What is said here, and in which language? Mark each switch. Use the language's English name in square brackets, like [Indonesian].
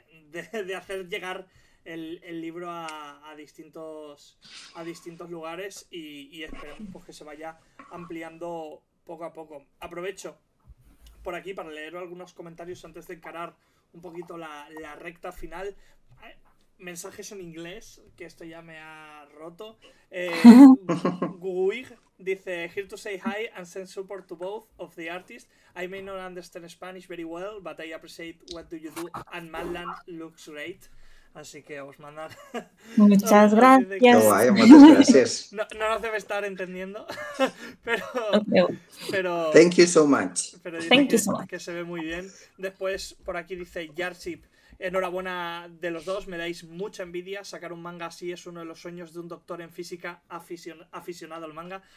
[Spanish] De hacer llegar el libro a distintos lugares y esperemos pues, que se vaya ampliando poco a poco. Aprovecho por aquí para leer algunos comentarios antes de encarar un poquito la recta final. Mensajes en inglés, que esto ya me ha roto. [English] Guig dice: "Here to say hi and send support to both of the artists. I may not understand Spanish very well, but I appreciate what do you do and Madland looks great." [Spanish] Así que os mandan. Muchas gracias. No, no nos debe estar entendiendo, pero [English] thank you so much. [Spanish] Pero dice que se ve muy bien. Después por aquí dice Yardship: "Enhorabuena de los dos, me dais mucha envidia. Sacar un manga así es uno de los sueños de un doctor en física aficionado al manga."